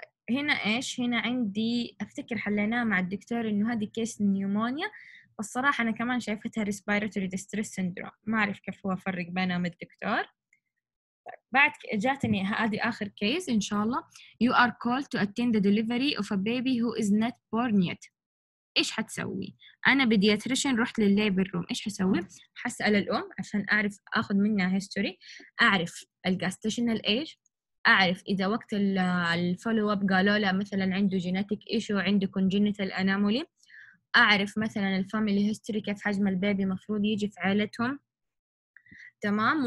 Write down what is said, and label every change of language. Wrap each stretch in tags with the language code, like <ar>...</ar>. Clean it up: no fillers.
<ar>هنا ايش؟ هنا عندي افتكر حليناه مع الدكتور انه هذه كيس نيومونيا، الصراحة أنا كمان شايفتها respiratory distress syndrome، ما أعرف كيف هو فرق بينها من الدكتور. بعد جاتني هذه آخر كيس إن شاء الله.</ar> <en>You are called to attend the delivery of a baby who is not born yet.</en> <ar>إيش حتسوي؟ أنا بديتريشن رحت للليبر روم، إيش حسوي؟ حسأل الأم عشان أعرف أخذ منها history، أعرف gestational age، أعرف إذا وقت الفولو أب قالوا لها مثلا عنده genetic issue، عنده congenital anomaly، أعرف مثلاً الفاميلي هيستوري كيف حجم البيبي مفروض يجي في عائلتهم. تمام.</ar>